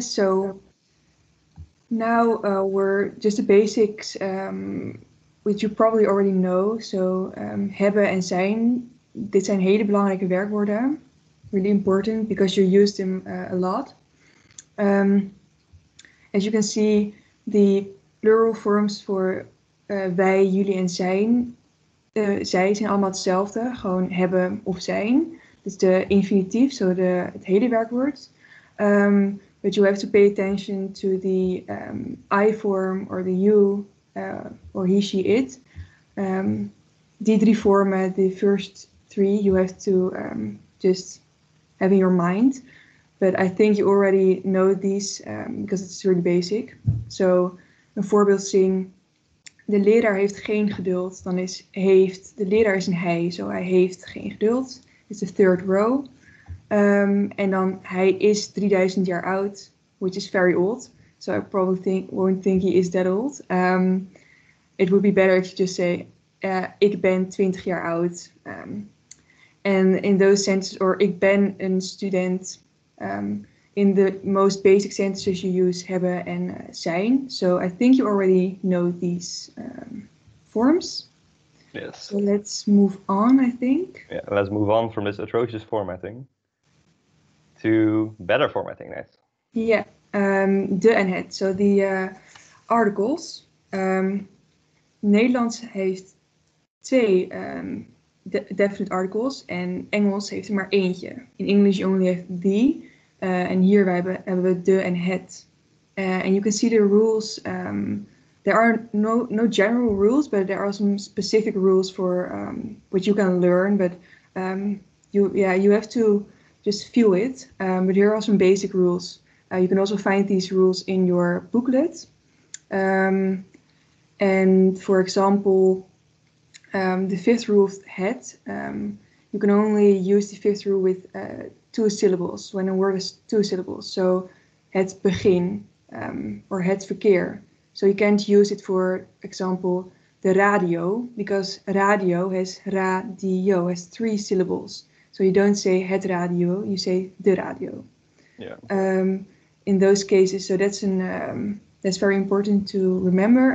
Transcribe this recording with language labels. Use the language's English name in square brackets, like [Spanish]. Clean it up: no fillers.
[English] So now we're just the basics, which you probably already know. So [Dutch] hebben en zijn, dit zijn hele belangrijke werkwoorden. [English] really important because you use them a lot. As you can see, the plural forms for [Dutch] wij, jullie en zijn, zij zijn allemaal hetzelfde, gewoon hebben of zijn. Dus de infinitief, zo de het hele werkwoord. [English] But you have to pay attention to the I form or the you or he, she, it. [Dutch] Die drie vormen, [English] the first three, you have to just have in your mind. But I think you already know these because it's really basic. [Dutch] So een voorbeeld zien. De leraar heeft geen geduld. Dan is heeft, de leraar is een hij. So hij heeft geen geduld. [English] It's the third row. [Dutch] En dan hij is 3000 jaar oud, [English] which is very old. So I probably think, won't think he is that old. It would be better if you just say, [Dutch] ik ben 20 jaar oud. [English] And in those sentences, or [Dutch] ik ben een student. [English] In the most basic sentences you use hebben en zijn. So I think you already know these forms. Yes. So let's move on, I think. Yeah, let's move on from this atrocious formatting to better formatting, next. Yeah, de en het. So the articles. [Dutch] Nederlands heeft twee definite articles en Engels heeft er maar eentje. [English] In English you only have the. [Dutch] En hier hebben we de en het. [English] And you can see the rules. There are no general rules, but there are some specific rules for which you can learn. But you have to just feel it. But here are some basic rules. You can also find these rules in your booklet. And for example, the fifth rule of het. You can only use the fifth rule with two syllables, when a word is two syllables. So het begin or het verkeer. So you can't use it for example the radio, because radio has radio, has three syllables. So you don't say het radio, you say de radio. Yeah. In those cases, so that's an that's very important to remember.